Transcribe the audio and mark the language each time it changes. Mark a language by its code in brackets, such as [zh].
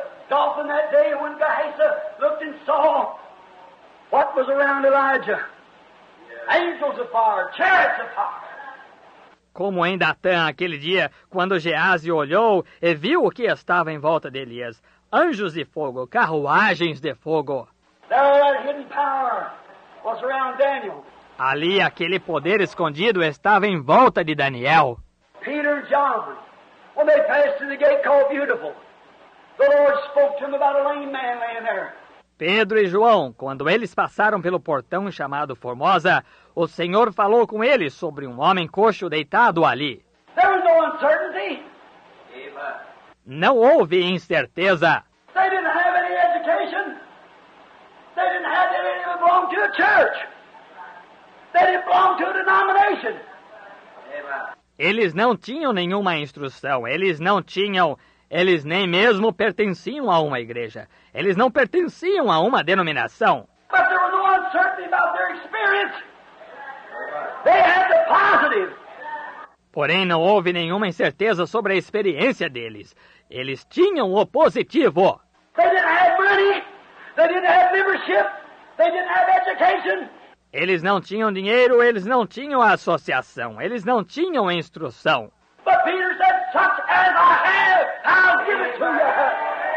[en] Dolphin that day when Gehazi looked and saw what was around Elijah. Angels of fire, chariots of fire. [pt] Como em Datã aquele dia, quando Geazi olhou e viu o que estava em volta de Elias. Anjos de fogo, carruagens de fogo. [en] There that hidden power was around Daniel. [pt] Ali aquele poder escondido estava em volta de Daniel. [en] Peter and John, when they passed through the gate called Beautiful. The Lord spoke to him about a lame man laying there. [pt] Pedro e João, quando eles passaram pelo portão chamado Formosa, o Senhor falou com eles sobre um homem coxo deitado ali. [en] There was no uncertainty. [pt] Não houve incerteza. [en] They didn't have any education. They didn't have any that belonged to a church. They didn't belong to a denomination. [pt] Eles não tinham nenhuma instrução. Eles nem mesmo pertenciam a uma igreja. Eles não pertenciam a uma denominação. [en] But there was no uncertainty about their experience. They had the positive. [pt] Porém, não houve nenhuma incerteza sobre a experiência deles. Eles tinham o positivo. [en] They didn't have money. They didn't have membership. They didn't have education. [pt] Eles não tinham dinheiro, eles não tinham associação, eles não tinham instrução. [en] But Peter said, such as I have, I'll give it to you.